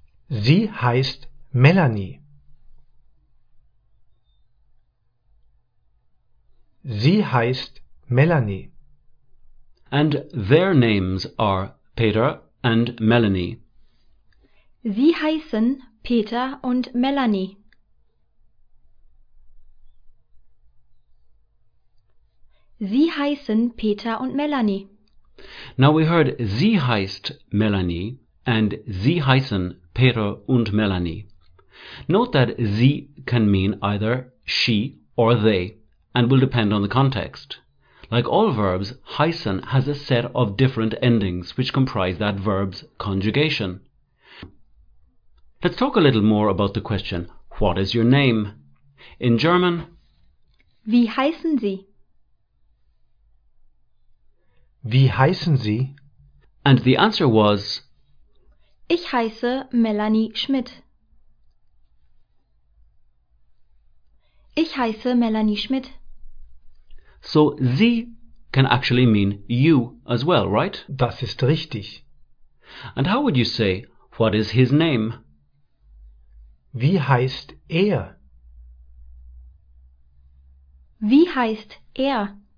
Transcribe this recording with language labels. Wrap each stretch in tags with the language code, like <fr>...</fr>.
<de>Sie heißt Melanie. Sie heißt Melanie.</de> <en>And their names are Peter and Melanie.</en> <de>Sie heißen Peter und Melanie. Sie heißen Peter und Melanie.</de> <en>Now we heard</en> <de>sie heißt Melanie</de> <en>and</en> <de>Sie heißen Peter und Melanie.</de> <en>Note that Sie can mean either she or they, and will depend on the context. Like all verbs, heißen has a set of different endings which comprise that verb's conjugation. Let's talk a little more about the question, what is your name? In German,</en> <de>wie heißen Sie? Wie heißen Sie?</de> <en>And the answer was,</en> <de>ich heiße Melanie Schmidt. Ich heiße Melanie Schmidt.</de> <en>So, Sie can actually mean you as well, right?</en> <de>Das ist richtig.</de> <en>And how would you say, what is his name?</en> <de>Wie heißt er? Wie heißt er?</de>